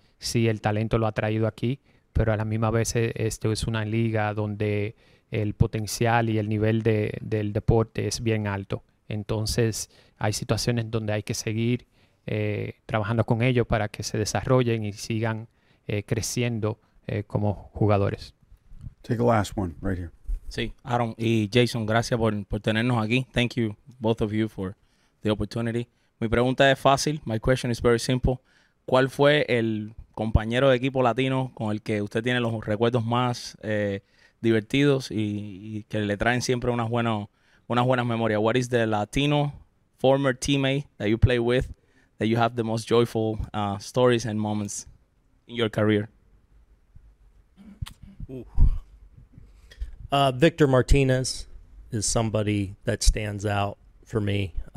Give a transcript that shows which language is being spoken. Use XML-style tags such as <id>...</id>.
<es>Sí, el talento lo ha traído aquí, pero a la misma vez esto es una liga donde el potencial y el nivel del deporte es bien alto. Entonces, hay situaciones donde hay que seguir trabajando con ellos para que se desarrollen y sigan creciendo como jugadores.</es> <en>Take the last one right here.</en> <es>Sí, Aaron y Jason, gracias por tenernos aquí.</es> <en>Thank you, both of you, for the opportunity.</en> <es>Mi pregunta es fácil.</es> <en>My question is very simple.</en> <es>¿Cuál fue el compañero de equipo latino con el que usted tiene los recuerdos más divertidos y que le traen siempre unas buenas memorias?</es> <en>What is the Latino former teammate that you play with that you have the most joyful stories and moments in your career? Victor Martinez is somebody that stands out for me.</en>